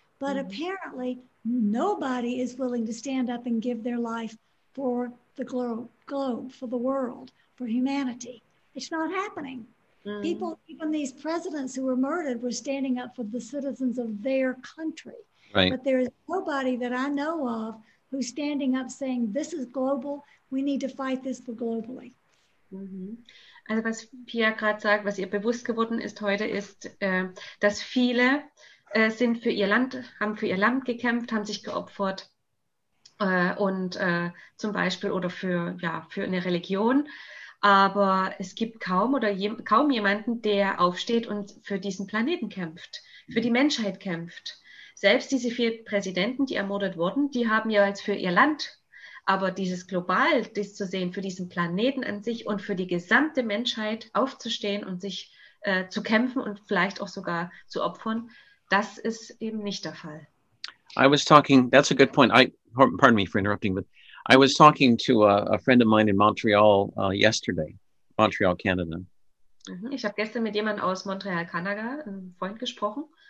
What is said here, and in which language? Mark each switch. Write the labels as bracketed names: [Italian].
[English] But apparently nobody is willing to stand up and give their life for the globe, for the world, for humanity. It's not happening. People, even these presidents who were murdered, were standing up for the citizens of their country. Right. But there is nobody that I know of who's standing up saying, this is global, we need to fight this for globally. [German] Also was Pia gerade sagt, was ihr bewusst geworden ist heute, ist, dass viele sind für ihr Land, haben für ihr Land gekämpft, haben sich geopfert. Und zum Beispiel oder für, ja, für eine Religion. Aber es gibt kaum oder kaum jemanden, der aufsteht und für diesen Planeten kämpft, für die Menschheit kämpft. Selbst diese vier Präsidenten, die ermordet wurden, die haben ja jetzt für ihr Land. Aber dieses global, das zu sehen, für diesen Planeten an sich und für die gesamte Menschheit aufzustehen und sich zu kämpfen und vielleicht auch sogar zu opfern, das ist eben nicht der Fall. [English] I was talking, that's a good point. Pardon me for interrupting, but I was talking to a friend of mine in Montreal yesterday, Montreal, Canada. [German] Ich habe gestern mit jemandem aus Montreal, Kanada, einem Freund gesprochen.